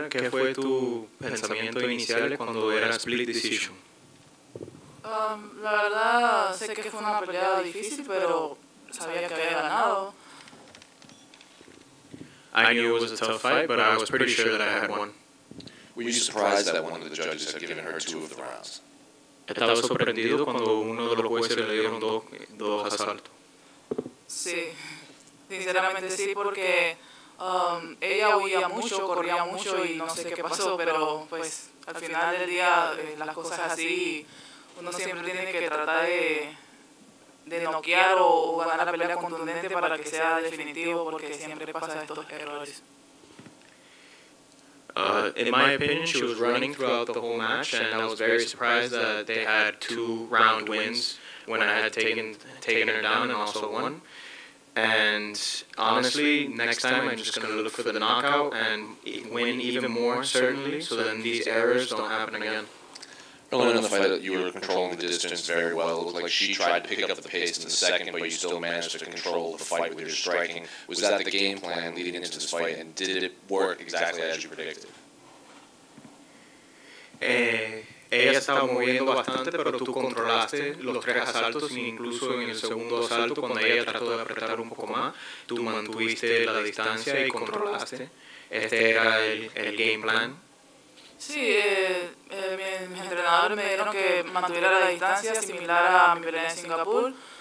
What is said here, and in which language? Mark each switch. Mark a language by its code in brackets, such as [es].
[es] ¿Qué fue tu pensamiento inicial cuando era Split Decision? La verdad, sé que fue una pelea difícil, pero sabía que había ganado. [en] I knew it was a tough fight, but I was pretty sure that I had won. Were you surprised that one of the judges had given her two of the rounds? [es] Estaba sorprendido cuando uno de los jueces le dieron dos asaltos. Sí, sinceramente sí, porque ella huía mucho, corría mucho y no sé qué pasó, pero pues al final del día las cosas así, uno siempre tiene que tratar de noquear o ganar la pelea contundente para que sea definitivo, porque siempre pasa estos errores. [en] In my opinion, she was running throughout the whole match, and I was very surprised that they had two round wins when I had taken her down and also won. And honestly, next time I'm just going to look for the knockout and win even more certainly, so then these errors don't happen again. Early in the fight, that you were controlling the distance very well. It looked like she tried to pick up the pace in the second, but you still managed to control the fight with your striking. Was that the game plan leading into this fight, and did it work exactly as you predicted? [es] Ella estaba moviendo bastante, pero tú controlaste los tres asaltos, e incluso en el segundo asalto, cuando ella trató de apretar un poco más, tú mantuviste la distancia y controlaste. Este era el game plan. Sí, mi entrenador me dijeron que mantuviera la distancia similar a mi pelea en Singapur.